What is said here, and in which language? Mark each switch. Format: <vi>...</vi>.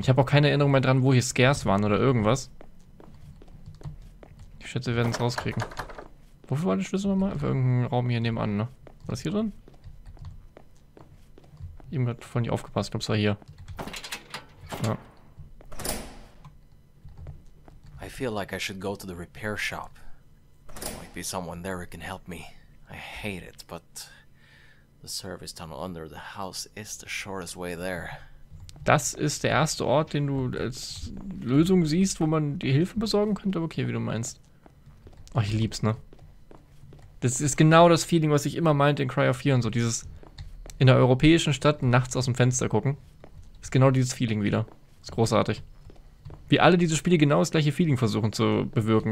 <de>Ich habe auch keine Erinnerung mehr dran, wo hier Scares waren oder irgendwas. Ich schätze, wir werden es rauskriegen. Wofür war der Schlüssel nochmal? Für irgendeinen Raum hier nebenan, ne? War das hier drin? Eben hat vorhin nicht aufgepasst. Ich glaube, es war hier. Ja.</de> <en>I feel like I should go to the repair shop. Might be someone there who can help me. I hate it, but the service tunnel under the house is the shortest way there.</en> <de>Das ist der erste Ort, den du als Lösung siehst, wo man dir Hilfe besorgen könnte. Okay, wie du meinst. Oh, ich lieb's, ne? Das ist genau das Feeling, was ich immer meinte in Cry of Fear und so. Dieses in der europäischen Stadt nachts aus dem Fenster gucken. Ist genau dieses Feeling wieder. Ist großartig. Wie alle diese Spiele genau das gleiche Feeling versuchen zu bewirken.</de>